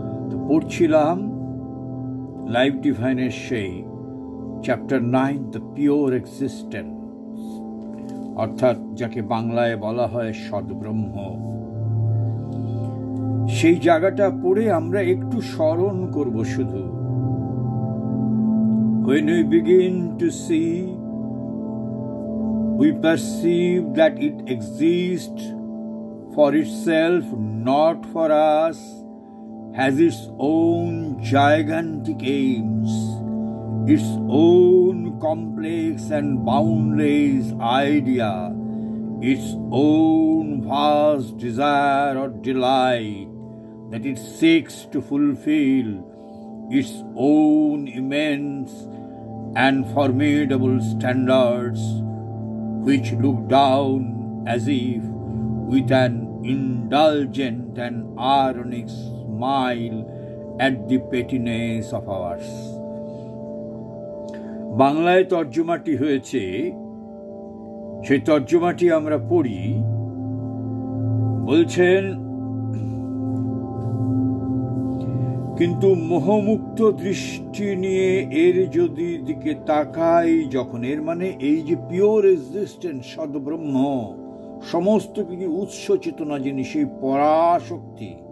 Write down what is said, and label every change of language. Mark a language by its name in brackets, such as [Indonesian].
[Bangla] তো পড়ছিলাম লাইফ ডিভাইনের সেই চ্যাপ্টার 9, দ্য পিওর এক্সিস্টেন্স, অর্থাৎ যাকে বাংলায় বলা হয় সদ্ব্রহ্ম। সেই জায়গাটা পড়ে আমরা একটু স্মরণ করব শুধু। [English] When we begin to see, we perceive that it exists for itself, not for us, has its own gigantic aims, its own complex and boundless idea, its own vast desire or delight that it seeks to fulfill, its own immense and formidable standards, which look down as if with an indulgent and ironic smile at the pettiness of ours. [Bangla] বাংলায় তর্জমাটি হয়েছে, সেই তর্জমাটি আমরা পড়ি। বলছেন, কিন্তু মোহমুক্ত দৃষ্টি নিয়ে এর যদি দিকে তাকাই, যখন এর মানে এই যে পিওর এক্সিস্টেন্স সদ্ব্রহ্ম, সমস্ত কিছু উৎস চেতনা জিনিস, এই পরাশক্তি,